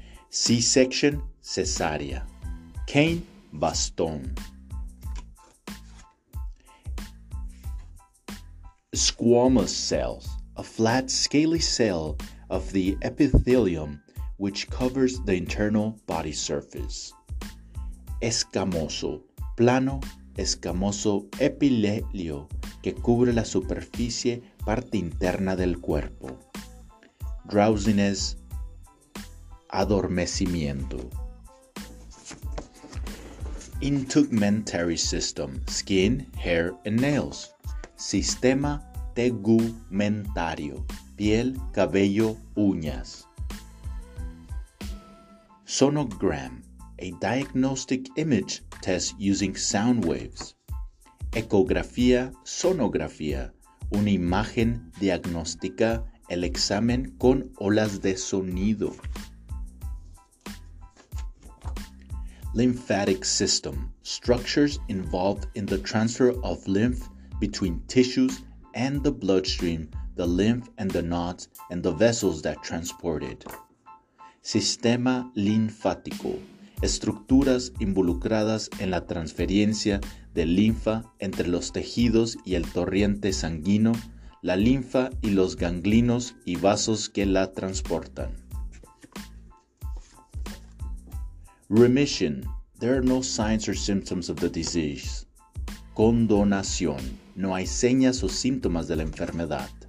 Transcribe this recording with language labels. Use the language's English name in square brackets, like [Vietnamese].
[English] C-section, cesárea. Cane, bastón. Squamous cells. A flat, scaly cell of the epithelium which covers the internal body surface. [Spanish] Escamoso. Plano, escamoso epitelio que cubre la superficie parte interna del cuerpo. [English] Drowsiness. Adormecimiento. Integumentary system. Skin, hair, and nails. [Spanish] Sistema tegumentario. Piel, cabello, uñas. [English] Sonogram. A diagnostic image test using sound waves. [Spanish] Ecografía, sonografía. Una imagen diagnóstica, el examen con olas de sonido. [English] Lymphatic system. Structures involved in the transfer of lymph between tissues and the bloodstream, the lymph and the nodes, and the vessels that transport it. [Spanish] Sistema linfático. Estructuras involucradas en la transferencia de linfa entre los tejidos y el torrente sanguíneo, la linfa y los ganglios y vasos que la transportan. [English] Remission. There are no signs or symptoms of the disease. [Spanish] Condonación. No hay señas o síntomas de la enfermedad.